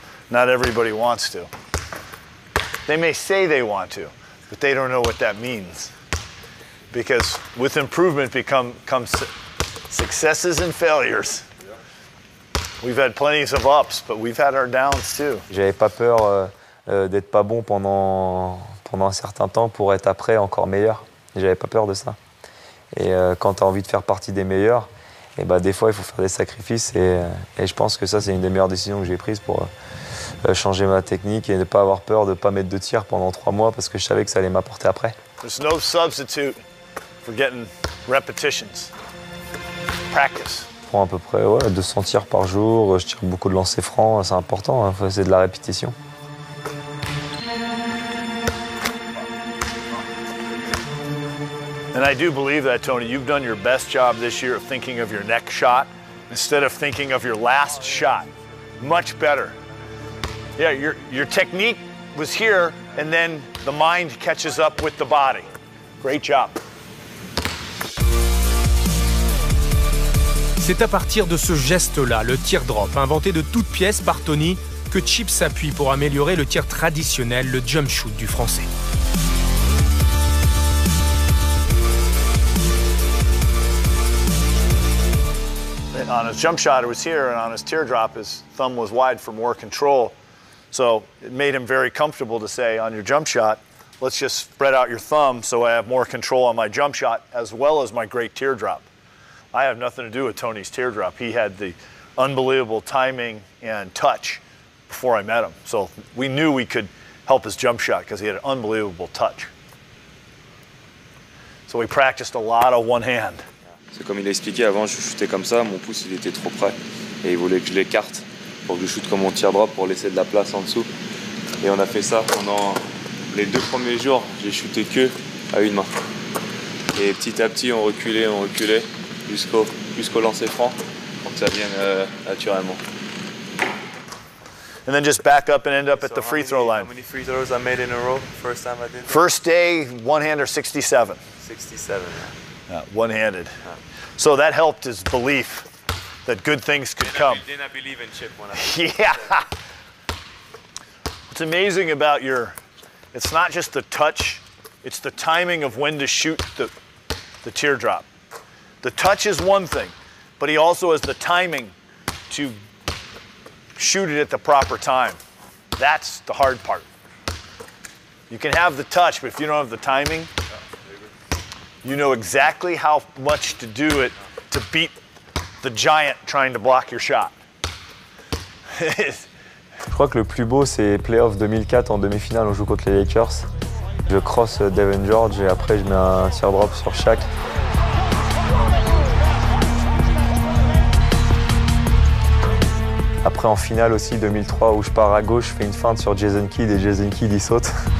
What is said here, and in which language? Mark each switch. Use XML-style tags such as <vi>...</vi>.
<en>Not everybody wants to. They may say they want to, but they don't know what that means. Because with improvement comes successes and failures. We've had plenty of ups, but we've had our downs too.</en> <fr>J'avais pas peur. D'être pas bon pendant un certain temps pour être après encore meilleur. J'avais pas peur de ça. Et quand t'as envie de faire partie des meilleurs, et bah des fois, il faut faire des sacrifices. Et je pense que ça, c'est une des meilleures décisions que j'ai prises pour changer ma technique et ne pas avoir peur de ne pas mettre de tir pendant 3 mois parce que je savais que ça allait m'apporter après.</fr> <en>There's no substitute for getting repetitions. Practice.</en> <fr>Je prends à peu près 200 tirs par jour. Je tire beaucoup de lancers francs. C'est important, hein. C'est de la répétition.</fr> <en>And I do believe that, Tony, you've done your best job this year of thinking of your next shot instead of thinking of your last shot. Much better. Yeah, your technique was here, and then the mind catches up with the body. Great job.</en> <fr>C'est à partir de ce geste-là, le tir drop, inventé de toutes pièces par Tony, que Chip s'appuie pour améliorer le tir traditionnel, le jump shoot du français.</fr> <en>On his jump shot, it was here, and on his teardrop, his thumb was wide for more control. So it made him very comfortable to say, on your jump shot, let's just spread out your thumb so I have more control on my jump shot as well as my great teardrop. I have nothing to do with Tony's teardrop. He had the unbelievable timing and touch before I met him. So we knew we could help his jump shot because he had an unbelievable touch. So we practiced a lot of one hand.</en> <fr>C'est comme il a expliqué, avant je shootais comme ça, mon pouce il était trop près et il voulait que je l'écarte pour que je shoote comme mon tir drop pour laisser de la place en dessous. Et on a fait ça pendant les 2 premiers jours, j'ai shooté que à une main. Et petit à petit on reculait jusqu'au lancer franc pour que ça vienne naturellement.</fr> <en>And then just back up and end up at the free throw line. How many free throws I made in a row, first time I did that? First day, one hand or 67? 67. One-handed. So that helped his belief that good things could come. Didn't I believe in Chip when I... Yeah. It's amazing about your... It's not just the touch, it's the timing of when to shoot the teardrop. The touch is one thing, but he also has the timing to shoot it at the proper time. That's the hard part. You can have the touch, but if you don't have the timing, you know exactly how much to do it to beat the giant trying to block your shot.</en> <fr>Je crois que le plus beau, c'est playoff 2004 en demi-finale, on joue contre les Lakers. Je cross Devin George et après je mets un tear drop sur Shaq. Oh, après en finale aussi 2003 où je pars à gauche, je fais une feinte sur Jason Kidd et Jason Kidd il saute.</fr>